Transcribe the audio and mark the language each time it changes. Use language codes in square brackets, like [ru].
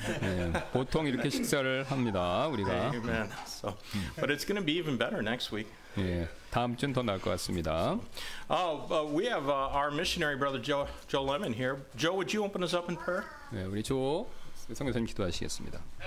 [ko] 예, 보통 이렇게 식사를 합니다, 우리가. [en] Amen. So, but it's going to be even better next week. [ko] 예, 다음 주는 더 나을 것 같습니다. [en] Oh, we have our missionary brother Joe Lemon here. Joe, would you open us up in prayer? [ko] 예, 우리 조 성교사님 기도하시겠습니다.